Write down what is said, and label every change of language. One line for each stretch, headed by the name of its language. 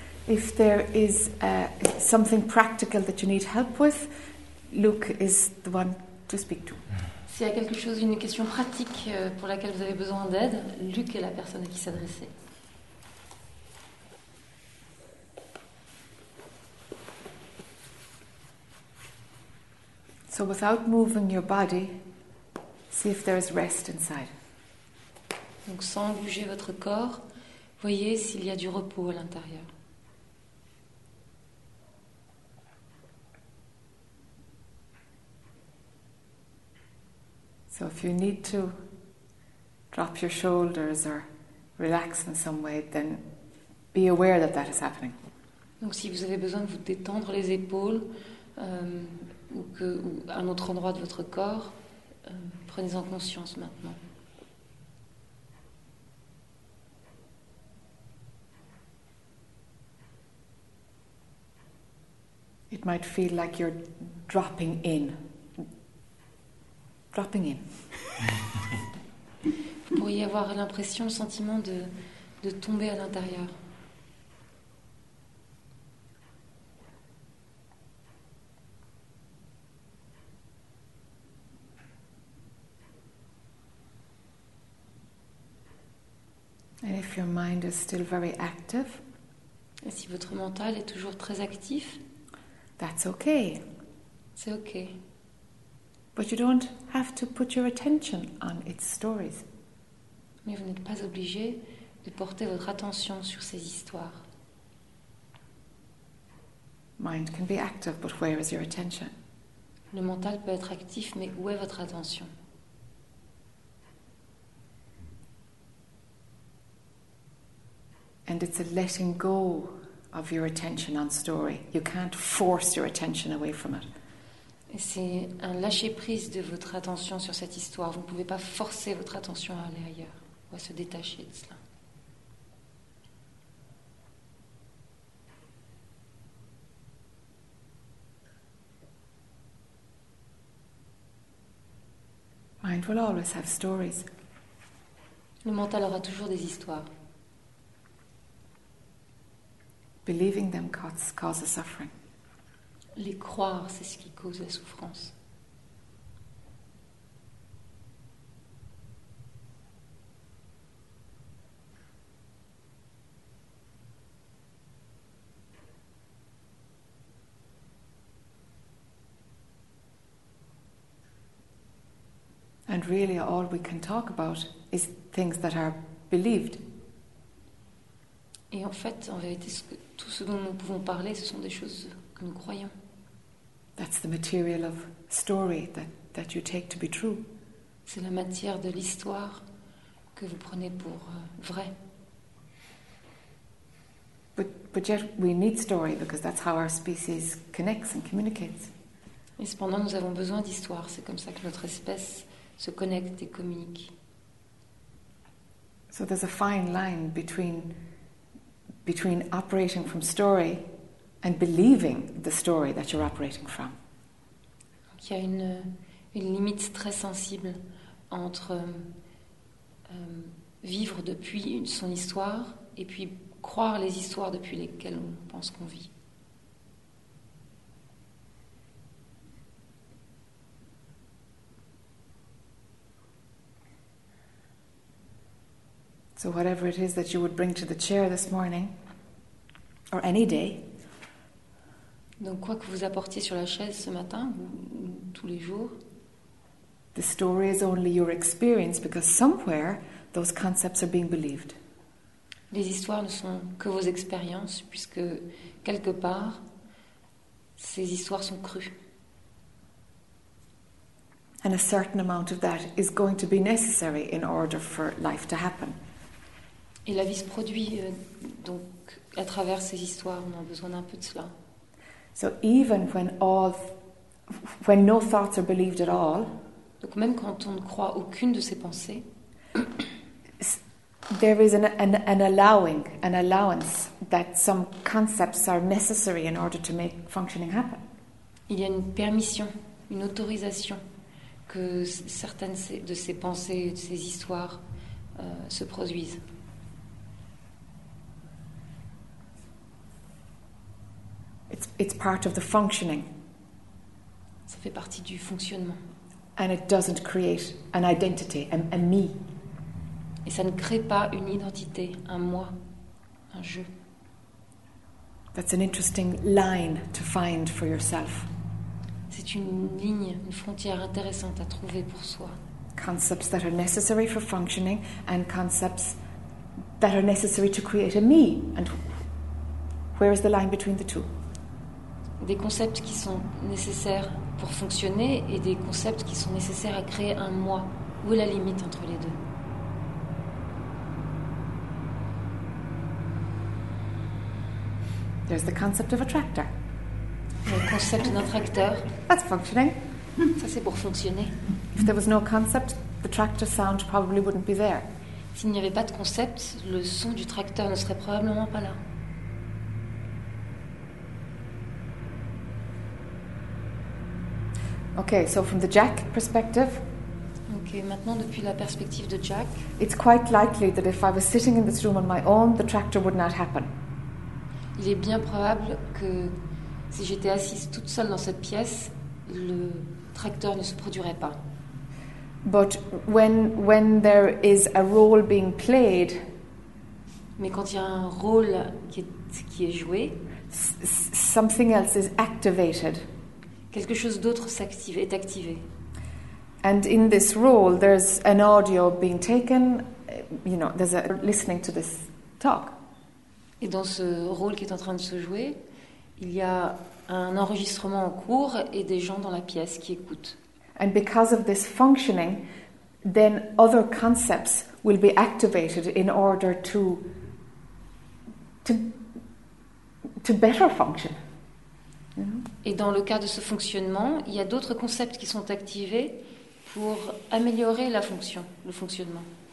English: If there is something practical that you need help with, Luke is the one to speak to.
French: S'il y a quelque chose, une question pratique pour laquelle vous avez besoin d'aide, Luke est la personne à qui s'adresser.
English: So without moving your body, see if there is rest inside.
French: Donc sans bouger votre corps, voyez s'il y a du repos à l'intérieur.
English: So if you need to drop your shoulders or relax in some way, then be aware that that is happening.
French: Donc si vous avez besoin de vous détendre les épaules ou un autre endroit de votre corps, prenez-en conscience maintenant.
English: It might feel like you're dropping in. Dropping in.
French: Vous pourriez avoir l'impression, le sentiment de tomber à l'intérieur.
English: And if your mind is still very active,
French: et si votre mental est toujours très actif,
English: that's okay.
French: C'est okay.
English: But you don't have to put your attention on its stories.
French: Mais vous n'êtes pas obligé de porter votre attention sur ces histoires.
English: Mind can be active, but where is your attention?
French: Le mental peut être actif, mais où est votre attention?
English: And it's a letting go of your attention on story. You can't force your attention away from it.
French: Et c'est un lâcher prise de votre attention sur cette histoire. Vous ne pouvez pas forcer votre attention à aller ailleurs ou à se détacher de cela.
English: Mind will always have stories.
French: Le mental aura toujours des histoires.
English: Believing them causes suffering.
French: Les croire, c'est ce qui cause la souffrance.
English: And really, all we can talk about is things that are believed.
French: Et en fait, en vérité, tout ce dont nous pouvons parler, ce sont des choses que nous croyons.
English: That's the material of story that you take to be true.
French: C'est la matière de l'histoire que vous prenez pour vrai.
English: But yet we need story because that's how our species connects and communicates.
French: Et cependant, nous avons besoin d'histoire. C'est comme ça que notre espèce se connecte et communique.
English: So there's a fine line between operating from story and believing the story that you're operating from.
French: Donc, il y a une limite très sensible entre vivre depuis son histoire et puis croire les histoires depuis lesquelles on pense qu'on vit.
English: So whatever it is that you would bring to the chair this morning, or any day.
French: Donc quoi que vous apportiez sur la chaise ce matin ou tous les jours.
English: The story is only your experience because somewhere those concepts are being believed.
French: Les histoires ne sont que vos expériences puisque quelque part ces histoires sont crues.
English: And a certain amount of that is going to be necessary in order for life to happen.
French: Et la vie se produit donc à travers ces histoires, on a besoin d'un peu de cela.
English: So even when no thoughts are believed at all,
French: donc même quand on ne croit aucune de ces pensées,
English: There is an allowance that some concepts are necessary in order to make functioning happen.
French: Il y a une permission, une autorisation que certaines de ces pensées, de ces histoires se produisent.
English: It's part of the functioning.
French: Ça fait partie du fonctionnement.
English: And it doesn't create an identity, a me.
French: Et ça ne crée pas une identité, un moi, un je.
English: That's an interesting line to find for yourself.
French: C'est une ligne, une frontière intéressante à trouver pour soi.
English: Concepts that are necessary for functioning and concepts that are necessary to create a me. And where is the line between the two?
French: Des concepts qui sont nécessaires pour fonctionner et des concepts qui sont nécessaires à créer un moi. Où est la limite entre les deux?
English: There's the concept of a tractor.
French: Le concept d'un tracteur.
English: That's functioning.
French: Ça, c'est pour fonctionner.
English: If there was no concept, the tractor sound probably wouldn't be there.
French: S'il n'y avait pas de concept, le son du tracteur ne serait probablement pas là.
English: Okay, so from the Jack perspective.
French: Okay, maintenant depuis la perspective de Jack.
English: It's quite likely that if I was sitting in this room on my own, the tractor would not happen.
French: Il est bien probable que si j'étais assise toute seule dans cette pièce, le tracteur ne se produirait pas.
English: But when there is a role being played.
French: Mais quand il y a un rôle qui est joué,
English: something else is activated.
French: Quelque chose d'autre s'active, est activé.
English: And in this role, there's an audio being taken, you know, there's a listening to this talk.
French: Et dans ce rôle qui est en train de se jouer, il y a un enregistrement en cours et des gens dans la pièce qui écoutent.
English: And because of this functioning, then other concepts will be activated in order to better function.
French: Et dans le cas de ce fonctionnement, il y a d'autres concepts qui sont activés pour améliorer la fonction, le fonctionnement.